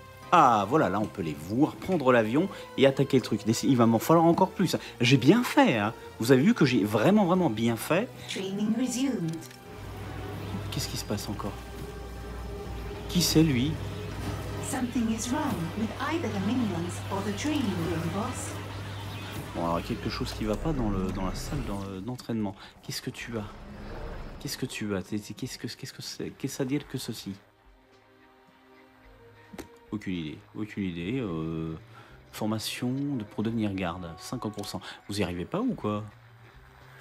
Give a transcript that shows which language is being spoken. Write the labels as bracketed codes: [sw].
[fr] Ah, voilà, là, on peut les voir prendre l'avion et attaquer le truc. Il va m'en falloir encore plus. J'ai bien fait, hein. Vous avez vu que j'ai vraiment, vraiment bien fait. [en] Training resumed. [fr] Qu'est-ce qui se passe encore ? Qui c'est, lui ? [en] Something is wrong with either the minions or the training room, boss. [fr] Bon, alors, quelque chose qui va pas dans la salle d'entraînement. Qu'est-ce que tu as ? Qu'est-ce que tu as ? Qu'est-ce que c'est ? Qu'est-ce à dire que ceci ? Aucune idée. Formation pour devenir garde, 50%. Vous y arrivez pas ou quoi ?